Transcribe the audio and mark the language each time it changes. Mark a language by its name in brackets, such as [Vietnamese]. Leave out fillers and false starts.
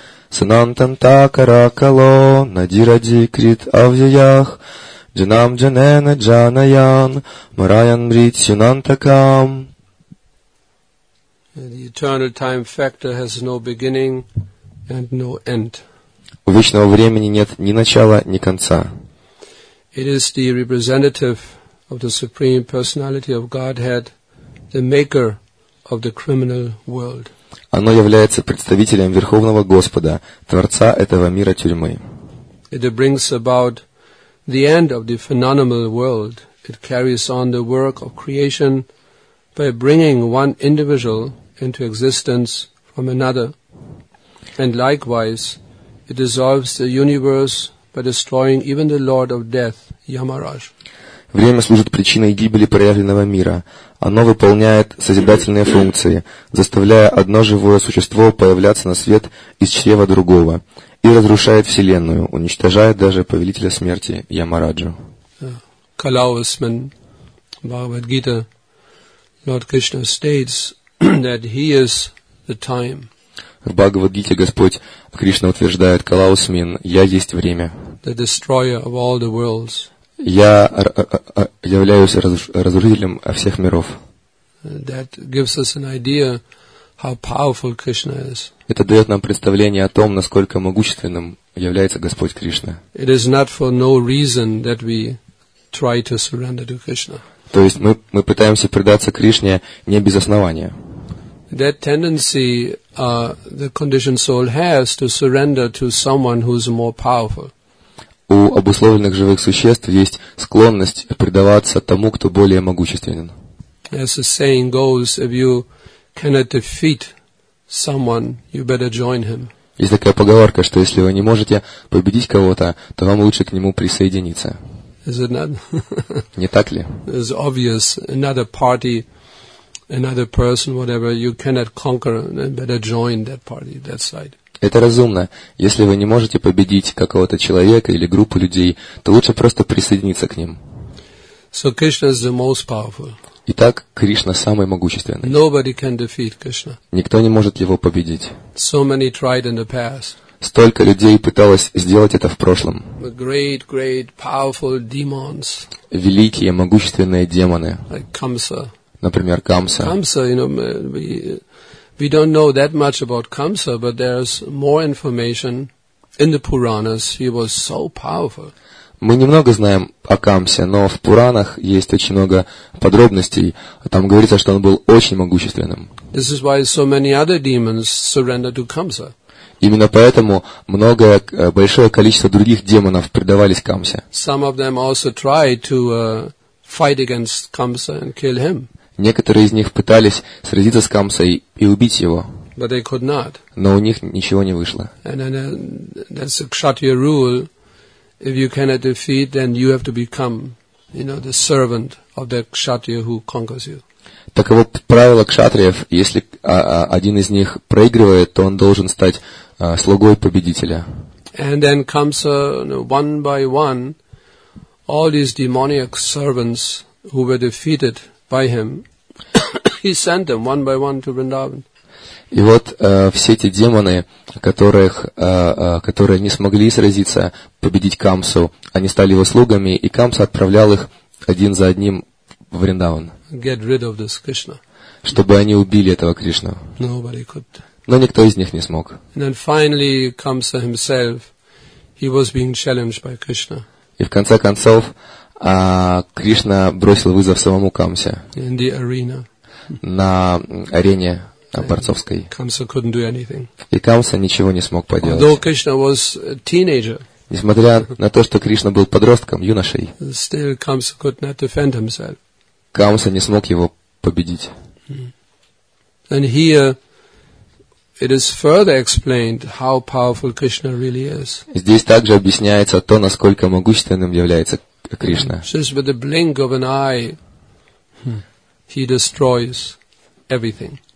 [Sanskrit] Санантанта каракало надиради крит авьях джанам джанена джанаян марайан брит сюнантакам. [English] The eternal time factor has no beginning and no end. [Russian] У вечного времени нет ни начала, ни конца. [English] It is the representative of the Supreme Personality of Godhead, the maker of the criminal world. [Russian] Оно является представителем Верховного Господа, Творца этого мира тюрьмы. [English] It brings about the end of the phenomenal world. It carries on the work of creation by bringing one individual into existence from another. And likewise, it dissolves the universe by destroying even the Lord of Death, Yamaraj. [Russian] Время служит причиной гибели проявленного мира. Оно выполняет созидательные функции, заставляя одно живое существо появляться на свет из чрева другого, и разрушает Вселенную, уничтожая даже повелителя смерти Ямараджу. [English] Kalavasman, Bhagavad Gita, Lord Krishna states that he is the time. [Russian] В Бхагавад Гите Господь Кришна утверждает: Калаусмин, я есть время. [English] The destroyer of all the worlds. [Russian] Я являюсь разрушителем всех миров. [English] That gives us an idea how powerful Krishna is. [Russian] Это дает нам представление о том, насколько могущественным является Господь Кришна. [English] It is not for no reason that we try to surrender to Krishna. [Russian] То есть мы пытаемся предаться Кришне не без основания. [English] That tendency the conditioned soul has to surrender to someone who is more powerful. [Russian] У обусловленных живых существ есть склонность предаваться тому, кто более могущественен. [English] As the saying goes, if you cannot defeat someone, you better join him. [Russian] Есть такая поговорка, что если вы не можете победить кого-то, то вам лучше к нему присоединиться. [English] Is it not? [Russian] Не так ли? [English] It's obvious. Another party, another person, whatever, you cannot conquer, then better join that party, that side. [Russian] Это разумно. Если вы не можете победить какого-то человека или группу людей, то лучше просто присоединиться к ним. [English] So Krishna is the most powerful. [Russian] Итак, Кришна самый могущественный. [English] Nobody can defeat Krishna. [Russian] Никто не может его победить. [English] So many tried in the past. [Russian] Столько людей пыталось сделать это в прошлом. [English] The great, great, powerful demons. [Russian] Великие, могущественные демоны. [English] Like Kamsa. [Russian] Например, Камса. [English] Камса, you know, we don't know that much about Kamsa, but there's more information in the Puranas. He was so powerful. [Russian] Мы немного знаем о Камсе, но в Пуранах есть очень много подробностей. Там говорится, что он был очень могущественным. [English] This is why so many other demons surrender to Kamsa. [Russian] Именно поэтому многое, большое количество других демонов предавались Камсе. [English] Some of them also tried to fight against Kamsa and kill him. [Russian] Некоторые из них пытались сразиться с Камсой и убить его. [English] But they could not. [Russian] Но у них ничего не вышло. [English] And then that's a Kshatriya rule. If you cannot defeat, then you have to become, you know, the servant of the Kshatriya who conquers you. [Russian] Таково правило кшатриев. Если один из них проигрывает, то он должен стать слугой победителя. [English] And then comes one by one, all these demoniac servants who were defeated by him, he sent them one by one to Vrindavan. [Russian] И вот все эти демоны, которые не смогли сразиться, победить Камсу, они стали его слугами, и Камса отправлял их один за одним в Вриндаван. [English] Get rid of this Krishna. [Russian] Чтобы они убили этого Кришну. [English] Nobody could. [Russian] Но никто из них не смог. [English] And then finally, Kamsa himself, he was being challenged by Krishna. [Russian] И в конце концов, Кришна бросил вызов самому Камсе. [English] In the arena. [Russian] На арене борцовской. [English] Kamsa couldn't do anything. [Russian] И Камса ничего не смог поделать. [English] Although Krishna was a teenager. [Russian] Несмотря на то, что Кришна был подростком, юношей. [English] Still Kamsa could not defend himself. [Russian] Камса не смог его победить. [English] And here it is further explained how powerful Krishna really is. [Russian] Здесь также объясняется то, насколько могущественным является Кришна. [English] Just with the blink of an eye, he destroys everything.